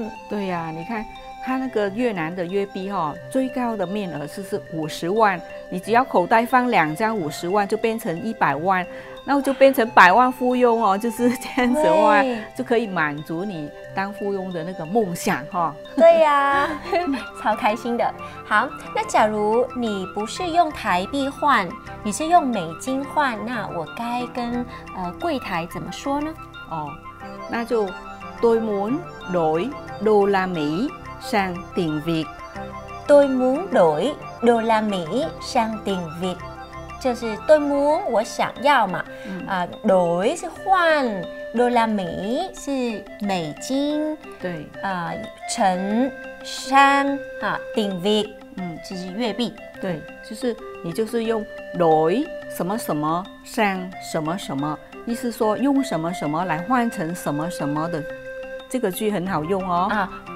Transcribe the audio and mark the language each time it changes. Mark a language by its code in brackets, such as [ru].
[zh] 对呀、啊，你看他那个越南的越币哈、哦，最高的面额是五十万，你只要口袋放两张五十万，就变成一百万，那就变成百万富翁哦，就是这样子的话，就可以满足你当富翁的那个梦想哈、哦。对呀、啊，超开心的。好，那假如你不是用台币换，你是用美金换，那我该跟柜台怎么说呢？哦，那就 [vi] tôi muốn đổi đô la Mỹ sang tiền Việt。 tôi muốn đổi đô la Mỹ sang tiền Việt。 [zh] 就是 [vi] tôi muốn [zh] 我想要嘛，đổi 是换 ，đô la Mỹ 是美金，对，乘 sang 啊 tiền Việt， 就是月币，对，就是你就是用 đổi 什么什么 sang 什么什么，意思说用什么什么来换成什么什么的，这个句很好用哦。